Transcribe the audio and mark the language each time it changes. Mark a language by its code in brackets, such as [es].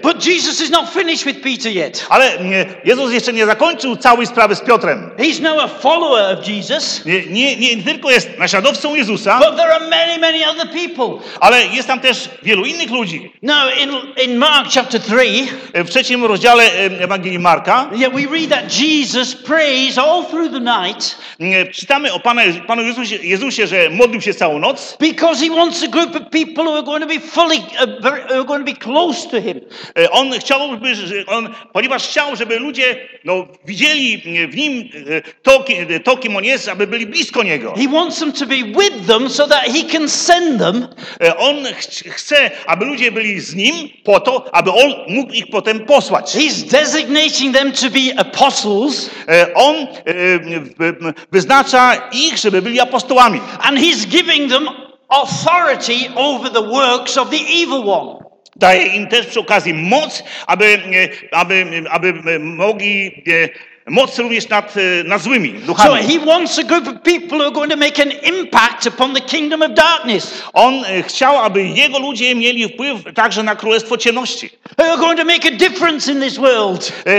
[en] But Jesus is not finished with Peter yet. [pl] Ale Jezus jeszcze nie zakończył całej sprawy z Piotrem. [en] He's now a follower of Jesus. [pl] Nie tylko jest naśladowcą Jezusa. [en] But there are many, many other people. [pl] Ale jest tam też wielu innych ludzi. [en] Now in Mark chapter 3. [pl] W trzecim rozdziale Ewangelii Marka. [en] Yeah, we read that Jesus prays all through the night. [pl] Czytamy o Panu Jezusie, że modlił się całą noc. [en] Because he wants a group of people who are going to be fully, who are going to be close to him. [pl] On chciał, ponieważ chciał, żeby ludzie widzieli w nim to, kim on jest, aby byli blisko niego. [en] He wants them to be with them so that he can send them. [pl] On chce, aby ludzie byli z nim po to, aby on mógł ich potem posłać. [en] He's designating them to be apostles. [pl] On wyznacza ich, żeby byli apostołami. [en] And he's giving them authority over the works of the evil one. [pl] Daje im też przy okazji moc, aby mogli moc również nad złymi duchami. [en] So he wants a group of people who are going to make an impact upon the kingdom of darkness. [pl] On chciał, aby jego ludzie mieli wpływ także na królestwo ciemności. [en] They are going to make a difference in this world.